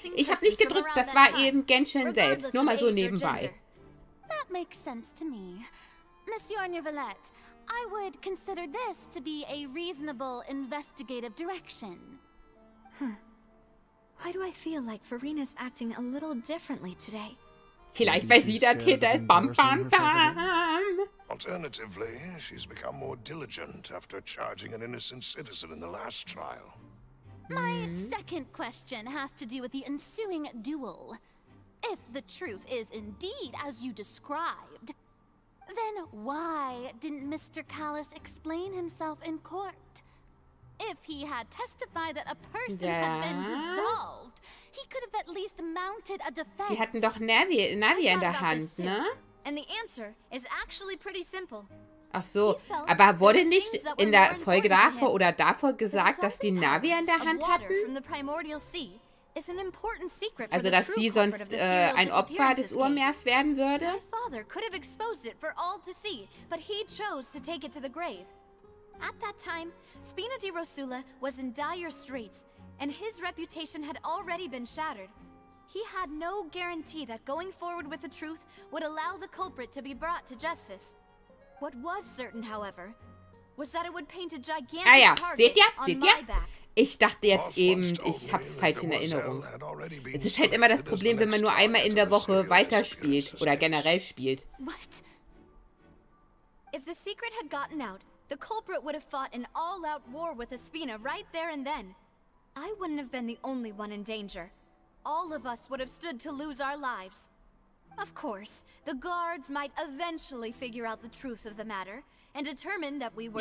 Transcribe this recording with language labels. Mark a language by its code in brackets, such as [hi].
[de] Ich habe nicht gedruckt, das war eben Genshin selbst. Nur mal so nebenbei. [en] That makes sense to me. Miss Yarnivalette, I would consider this to be a reasonable investigative direction. Huh. Why do I feel like Farina's acting a little differently today? [de] Vielleicht, weil sie der Täter ist. Bam, bam, bam. [en] Alternatively, she's become more diligent after charging an innocent citizen in the last trial. My second question has to do with the ensuing duel. If the truth is indeed as you described, then why didn't Mr. Callis explain himself in court? If he had testified that a person had been dissolved, he could have at least mounted a defense. [de] Die hatten doch Navi in der Hand, ne? [en] And the answer is actually pretty simple. [de] Ach so, aber wurde nicht in der Folge davor oder davor gesagt, dass die Navi in der Hand hatten? Also, dass sie sonst ein Opfer des Urmeers werden würde? [en] My father could have exposed it for all to see, but he chose to take it to the grave. At that time, Spina di Rosula was in dire straits. And his reputation had already been shattered. He had no guarantee that going forward with the truth would allow the culprit to be brought to justice. What was certain, however, was that it would paint a gigantic target on my back. [de] Ich dachte jetzt eben, ich hab's falsch in Erinnerung. Es ist halt immer das Problem, wenn man nur einmal in der Woche weiterspielt oder generell spielt. [en] What? If the secret had gotten out, the culprit would have fought an all-out war with Espina right there and then. I wouldn't have been the only one in danger. All of us would have stood to lose our lives. Of course, the guards might eventually figure out the truth of the matter and determine that we were.